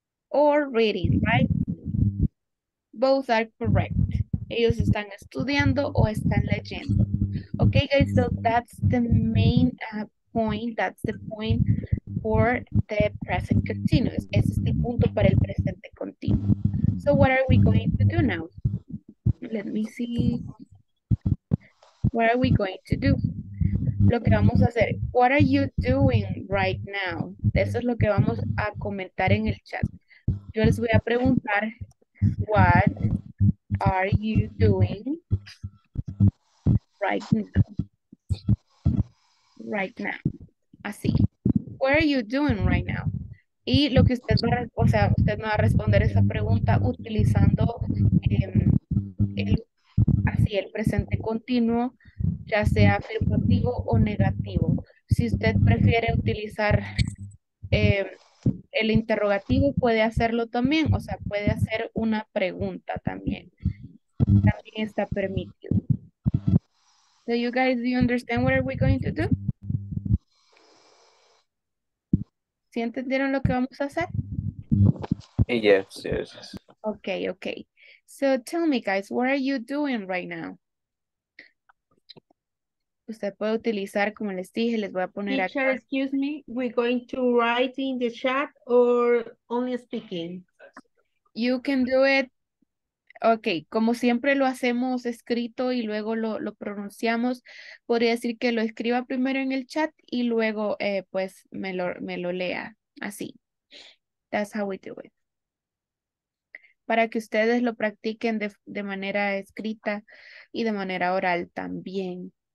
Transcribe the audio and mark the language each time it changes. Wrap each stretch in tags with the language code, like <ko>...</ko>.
<en>Or reading, right? Both are correct.</en> <es>Ellos están estudiando o están leyendo.</es> <en>Okay, guys, so that's the main point. That's the point for the present continuous.</en> <es>Ese es el punto para el presente continuo.</es> <en>So what are we going to do now? Let me see. What are we going to do?</en> <es>Lo que vamos a hacer.</es> <en>What are you doing right now?</en> <es>Eso es lo que vamos a comentar en el chat. Yo les voy a preguntar,</es> <en>what are you doing right now? Right now.</en> <es>Así.</es> <en>What are you doing right now?</en> <es>Y lo que usted va a, o sea, usted me va a responder esa pregunta utilizando el presente continuo, ya sea afirmativo o negativo. Si usted prefiere utilizar el interrogativo, puede hacerlo también, o sea, puede hacer una pregunta también. También está permitido.</es> <en>So you guys, do you understand what are we going to do?</en> <es>¿Sí entendieron lo que vamos a hacer?</es> <en>Yes, yes. Okay, okay. So tell me, guys, what are you doing right now?</en> <es>Usted puede utilizar, como les dije, les voy a poner teacher, acá.</es> <en>Teacher, excuse me, we're going to write in the chat or only speaking? You can do it.</en> <es>Okay, como siempre lo hacemos escrito y luego lo pronunciamos, podría decir que lo escriba primero en el chat y luego pues me lo lea así.</es> <en>That's how we do it.</en> <es>Para que ustedes lo practiquen de manera escrita y de manera oral también.</es>